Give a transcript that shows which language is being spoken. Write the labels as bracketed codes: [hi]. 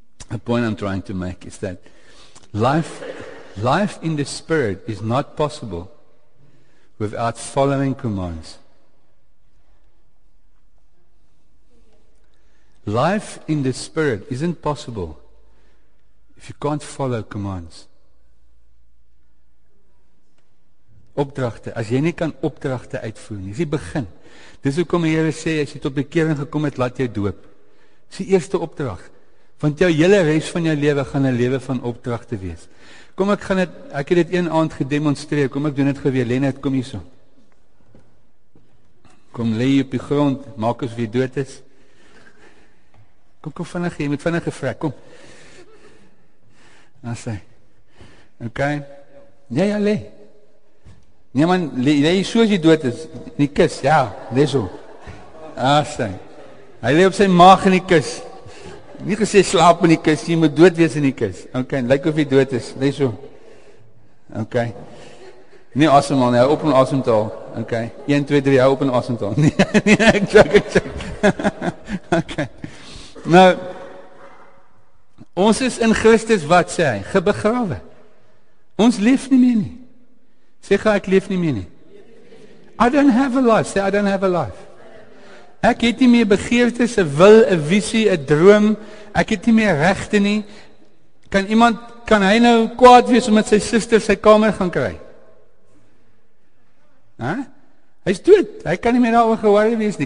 [en] The point I'm trying to make is that life in the spirit is not possible without following commands. Life in the spirit isn't possible if you can't follow commands. [af] Opdragte, as jy nie kan opdragte uitvoer nie, is die begin. Dis hoe kom die Here sê, as jy tot bekering gekom het, laat jou doop. Dis die eerste opdrag. Want jou hele reis van jou lewe gaan 'n lewe van opdragte wees. Kom ek gaan dit, ek het dit een aand gedemonstreer, kom ek doen dit geweer, Lennart, kom hier so. Kom lê op die grond, maak as wie dood is. Kom vinnig, jy moet vinnig gevrek, kom. Dan sê, ok, ja, lê. Nee man, lê hier so as jy dood is, in die kus, ja, lê so. Ah sê, hy lê op sy maag in die kus. Nie gesê slaap in die kus, jy moet dood wees in die kus. Ok, lyk of jy dood is, lê so. Ok, nie asemhaal, nie, hou op in asemtaal. Ok, 1, 2, 3, hou op in asemtaal. Nee, ek check. Ok, nou, ons is in Christus, wat sê hy, gebegrawe. Ons leef nie meer nie. Sê ga, ek leef nie meer nie. [en] I don't have a life, sê I don't have a life. [af] Ek het nie meer begeertes, 'n wil, 'n visie, 'n droom, ek het nie meer regte nie. Kan iemand, kan hy nou kwaad wees omdat sy suster sy kamer gaan kry? Hy is dood, hy kan nie meer daar oor geworry wees nie.